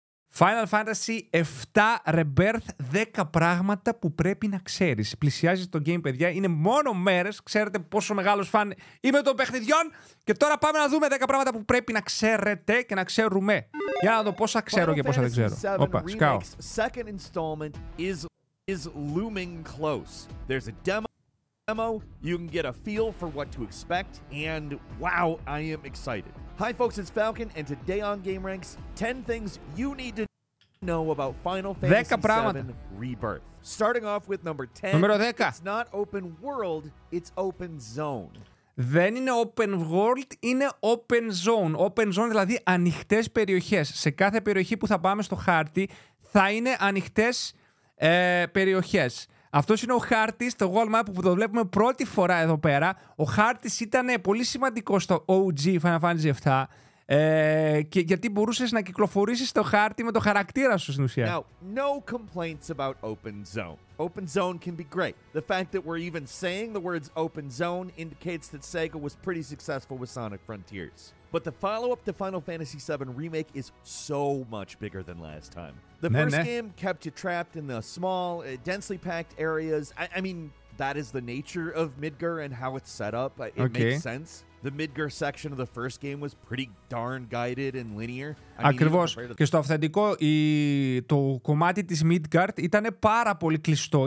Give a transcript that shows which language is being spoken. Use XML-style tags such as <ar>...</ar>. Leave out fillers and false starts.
<el>Final Fantasy 7 Rebirth, 10 πράγματα που πρέπει να ξέρεις. Πλησιάζει το game, παιδιά. Είναι μόνο μέρες. Ξέρετε πόσο μεγάλος φαν είμαι των παιχνιδιών. Και τώρα πάμε να δούμε 10 πράγματα που πρέπει να ξέρετε και να ξέρουμε. Για να δω πόσα ξέρω και πόσα δεν ξέρω. Οπα, σκάω.</el> <en>Second installment is looming close. There's a demo. You can get a feel for what to expect. And wow, I am excited. Hi folks, it's Falcon and today on Game Ranks, 10 things you need to know about Final Fantasy 7 Rebirth. Starting off with number 10. Numero 10. It's not open world, it's open zone.</en> <el>Δεν είναι open world, είναι open zone. Open zone δηλαδή ανοιχτές περιοχές. Σε κάθε περιοχή που θα πάμε στο χάρτη θα είναι ανοιχτές περιοχές. Αυτός είναι ο χάρτης, το wall map που το βλέπουμε πρώτη φορά εδώ πέρα. Ο χάρτης ήταν πολύ σημαντικός στο OG Final Fantasy 7 και γιατί μπορούσες να κυκλοφορήσεις το χάρτη με το χαρακτήρα σου στην ουσία.</el> <en>Now, no complaints about open zone. Open zone can be great. The fact that we're even saying the words open zone indicates that Sega was pretty successful with Sonic Frontiers. But the follow-up to Final Fantasy VII Remake is so much bigger than last time. The first game kept you trapped in the small, densely packed areas. I mean, that is the nature of Midgar and how it's set up. It makes sense. The Midgar section of the first game was pretty darn guided and linear.</en> <el>Ακριβώς. Και στο αυθεντικό, το κομμάτι της Midgard ήταν πάρα πολύ κλειστό.</el>